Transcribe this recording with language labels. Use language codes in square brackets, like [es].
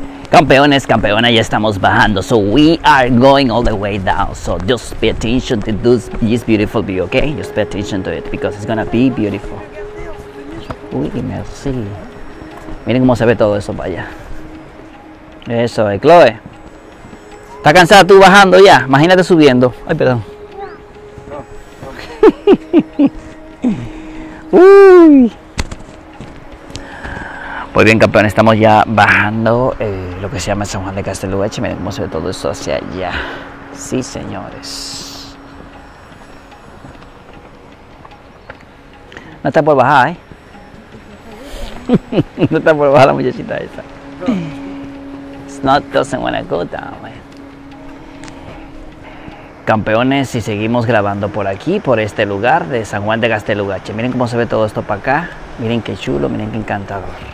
[es] Campeones, campeona, ya estamos bajando. [en] So we are going all the way down. So just pay attention to this beautiful view, okay? Just pay attention to it because it's gonna be beautiful. [es] Uy, merci. Miren cómo se ve todo eso para allá. Eso es, Chloe. ¿Estás cansada tú bajando ya? Imagínate subiendo. Ay, perdón. Uy. Pues bien, campeón, estamos ya bajando lo que se llama San Juan de Castelugache. Miren cómo se ve todo eso hacia allá. Sí, señores. No está por bajar, ¿eh? No está por bajar la muchachita esa. [en] It doesn't wanna go down, man. [es] Campeones, si seguimos grabando por aquí, por este lugar de San Juan de Castelugache. Miren cómo se ve todo esto para acá. Miren qué chulo, miren qué encantador.